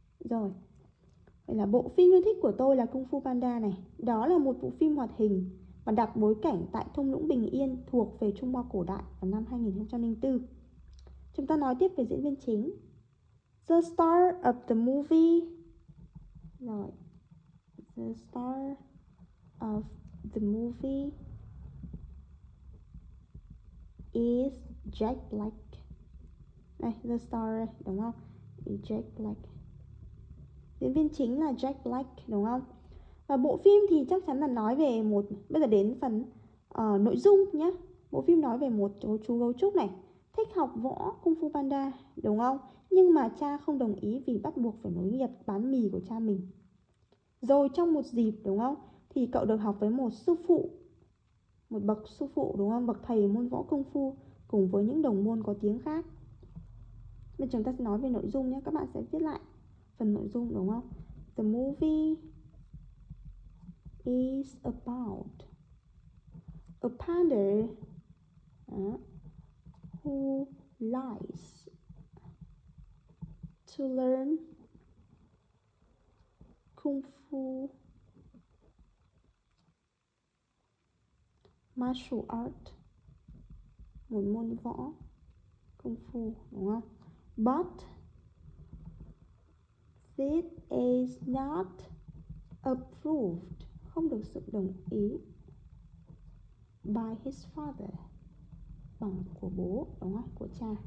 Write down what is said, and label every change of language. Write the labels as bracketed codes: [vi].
[vi] Rồi, vậy là bộ phim yêu thích của tôi là Kung Fu Panda này. Đó là một bộ phim hoạt hình và đặt bối cảnh tại thung lũng Bình Yên thuộc về Trung Hoa cổ đại vào năm 2004. Chúng ta nói tiếp về diễn viên chính. [en] The star of the movie. Rồi, the star of the movie is Jack Black. [vi] Đây, [en] the star, [vi] đúng không? Jack Black. Diễn viên chính là Jack Black, đúng không? Và bộ phim thì chắc chắn là nói về một... Bây giờ đến phần nội dung nhé. Bộ phim nói về một chú gấu trúc này thích học võ Kung Fu Panda, đúng không? Nhưng mà cha không đồng ý vì bắt buộc phải nối nghiệp bán mì của cha mình. Rồi trong một dịp, đúng không? Thì cậu được học với một sư phụ, một bậc sư phụ, đúng không? Bậc thầy môn võ Kung Fu cùng với những đồng môn có tiếng khác. Bây giờ chúng ta sẽ nói về nội dung nhé. Các bạn sẽ viết lại phần nội dung, đúng không? [en] The movie is about a panda who likes to learn Kung Fu Martial Art, [vi] một môn võ Kung Fu, đúng không? [en] But this is not approved, [vi] không được sự đồng ý [en] by his father, [vi] bằng của bố, đúng không? Của cha.